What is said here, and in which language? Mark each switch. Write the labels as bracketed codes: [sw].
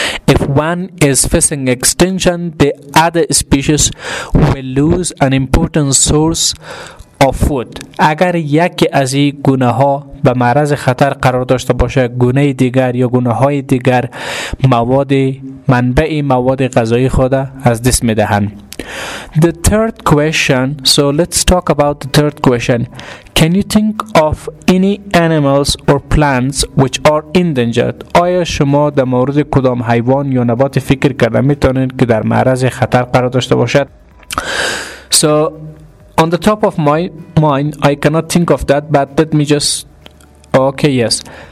[en] If one is facing extinction, the other species will lose an important source of food. [fa] اگر یکی از این گونه ها به معرض خطر قرار داشته باشه، گونه دیگر یا گونه های دیگر مواد منبع مواد غذایی خود از دست می دهند. [en] The third question. So let's talk about the third question. Can you think of any animals or plants which are endangered? [fa] آیا شما در مورد کدام حیوان یا نبات فکر کرده می توانید که در معرض خطر قرار داشته باشد؟ [en] So on the top of my mind, I cannot think of that, but let me just... Okay, yes.